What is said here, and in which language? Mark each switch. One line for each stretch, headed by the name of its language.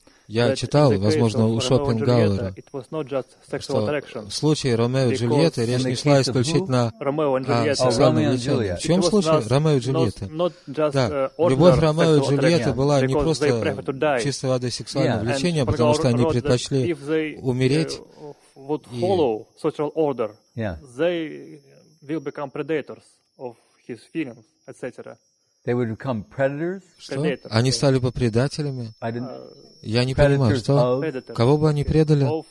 Russian: Я читал, возможно, у Шопенгауэра, что в случае Ромео и Джульетты речь не шла исключительно о сексуальном влечении. В чем случае Ромео и Джульетты? Да, любовь Ромео и Джульетты была не просто чистой воды сексуального влечения, потому что они предпочли умереть.
English: Would follow social order. Yeah. They will become predators of his feelings, etc. They would become predators.
Russian: Что? Они стали бы предателями? Я не понимаю, что? Кого бы они предали?